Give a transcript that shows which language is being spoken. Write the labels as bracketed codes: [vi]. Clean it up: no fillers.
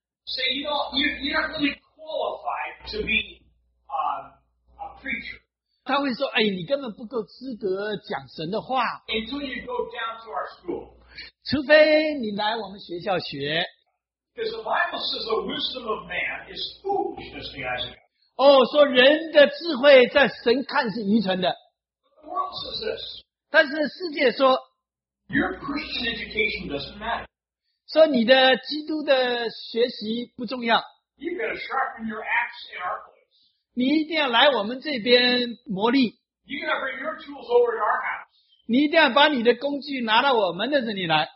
[en] Say, you're not really qualified to be a preacher. [zh] 他会说, 哎, 你根本不够资格讲神的话。 [en] Until you go down to our school. [zh] 除非你来我们学校学。 [en] Because the Bible says the wisdom of man is foolishness in the eyes of God. [zh] 说人的智慧在神看是愚蠢的。 [en] But the world says this. [zh] 但是世界说, [en] Your Christian education doesn't matter. [zh] 说你的基督的学习不重要。 [en] You've got to sharpen your axe in our place. [zh] 你一定要来我们这边磨砺。 [en] You've got to bring your tools over to our house. [zh] 你一定要把你的工具拿到我们的这里来。